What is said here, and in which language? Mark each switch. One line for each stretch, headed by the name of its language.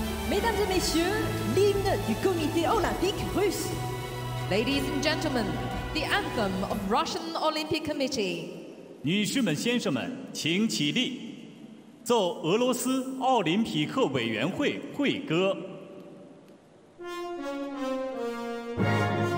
French: Mesdames et messieurs, l'hymne du Comité Olympique Russe.
English: Ladies and gentlemen, the anthem of Russian Olympic Committee.
Chinese: 女士们、先生们，请起立，奏俄罗斯奥林匹克委员会会歌。
English: Thank you.